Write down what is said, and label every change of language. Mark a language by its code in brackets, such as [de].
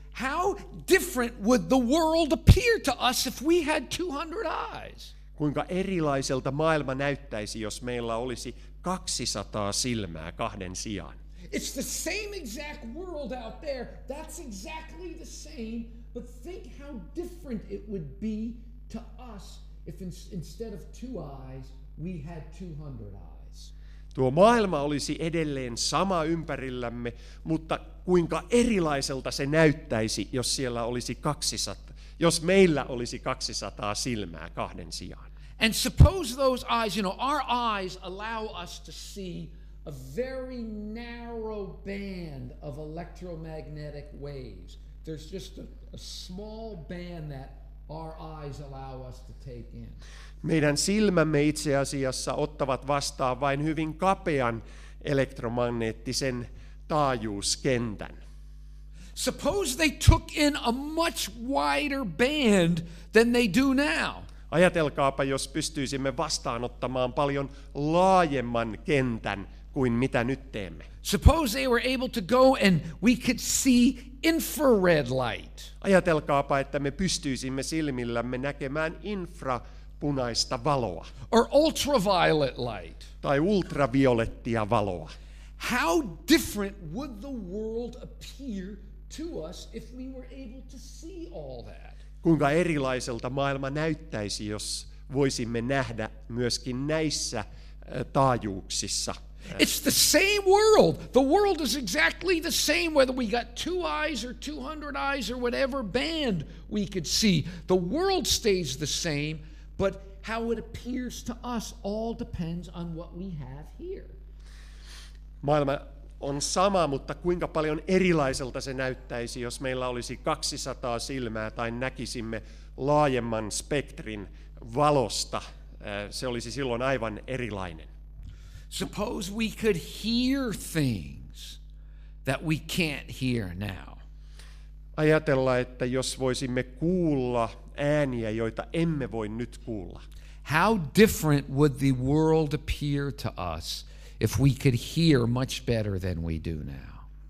[en] How different would the world appear to us if we had 200 eyes? [fi] Kuinka erilaiselta maailma näyttäisi, jos meillä olisi 200 silmää kahden sijaan? [en] It's the same exact world out there. That's exactly the same, but think how different it would be to us if instead of two eyes, we had 200 eyes. [fi] Tuo maailma olisi edelleen sama ympärillämme, mutta kuinka erilaiselta se näyttäisi, jos siellä olisi 200, jos meillä olisi 200 silmää kahden sijaan. [en] And suppose those eyes, you know, our eyes allow us to see a very narrow band of electromagnetic waves. There's just a small band that our eyes allow us to take in. [fi] Meidän silmämme itse asiassa ottavat vastaan vain hyvin kapean elektromagneettisen taajuuskentän. [en] Suppose they took in a much wider band than they do now. [fi] Ajatelkaapa, jos pystyisimme vastaanottamaan paljon laajemman kentän kuin mitä nyt teemme. [en] Suppose they were able to go and we could see infrared light. [fi] Ajatelkaapa, että me pystyisimme silmillämme näkemään infrapunaista valoa. [en] Or ultraviolet light. [fi] Tai ultraviolettia valoa. [en] How different would the world appear to us if we were able to see all that? [fi] Kuinka erilaiselta maailma näyttäisi, jos voisimme nähdä myöskin näissä taajuuksissa. [en] It's the same world. The world is exactly the same whether we got two eyes or 200 eyes or whatever band we could see. The world stays the same, but how it appears to us all depends on what we have here. [fi] Maailma on sama, mutta kuinka paljon erilaiselta se näyttäisi, jos meillä olisi 200 silmää tai näkisimme laajemman spektrin valosta. Se olisi silloin aivan erilainen. [en] Suppose we could hear things that we can't hear now. [fi] Ajatella, että jos voisimme kuulla ääniä, joita emme voi nyt kuulla. [en] How different would the world appear to us if we could hear much better than we do now?